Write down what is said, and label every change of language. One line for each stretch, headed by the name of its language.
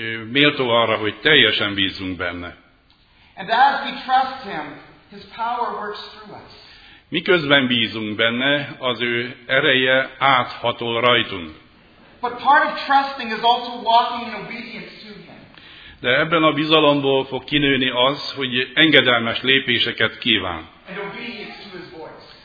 Hungarian: Méltó arra, hogy teljesen bízunk benne.
English: And as we trust him, his power works through us.
Hungarian: Miközben bízunk benne, az ő ereje áthatol rajtunk.
English: But part of trusting is also walking in obedience to him.
Hungarian: De ebben a bizalomból fog kinőni az, hogy engedelmes lépéseket kíván.
English: And obedience to his voice.